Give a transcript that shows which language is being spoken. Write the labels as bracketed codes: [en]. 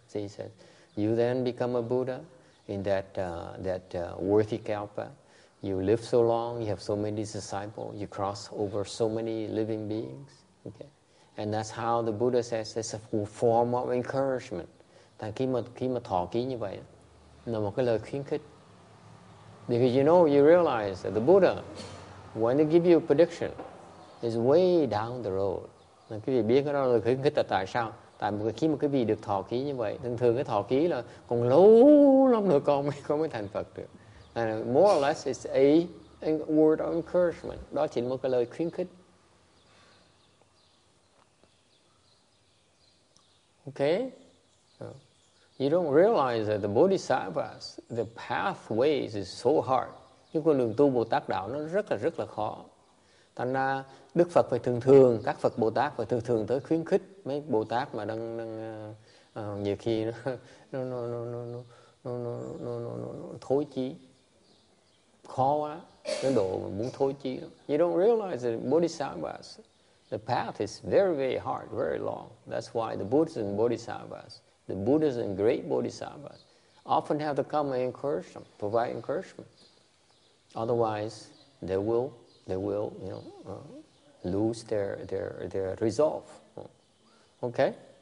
[en] So he said, you then become a Buddha in that worthy kalpa. You live so long, you have so many disciples, you cross over so many living beings. Okay. And that's how the Buddha says it's a form of encouragement. [vi] Tại khi mà thọ ký như vậy, là một cái lời khuyến khích. [en] Because you know, you realize that the Buddha, when they give you a prediction, is way down the road. [vi] Nên quý vị biết cái đó là khuyến khích là tại sao? Tại khi mà quý vị được thọ ký như vậy, thường thường cái thọ ký là còn lâu lắm nữa con mới thành Phật được. [en] And more or less, it's a word of encouragement. [vi] Đó chỉ là một cái lời khuyến khích. [en] Okay? You don't realize that the Bodhisattvas, the pathways is so hard. [vi] Nhưng con đường tu Bồ Tát Đạo nó rất là khó. Thành ra Đức Phật phải thường thường, các Phật Bồ Tát phải thường thường tới khuyến khích mấy Bồ Tát mà đang nhiều khi nó thối chí, khó quá, nó độ mà muốn thối chí. [en] You don't realize that Bodhisattvas, the path is very, very hard, very long. That's why the Buddhas and Bodhisattvas, the Buddhas and great Bodhisattvas, often have to come and encourage them, provide encouragement. Otherwise, they will, you know, lose their resolve. Okay?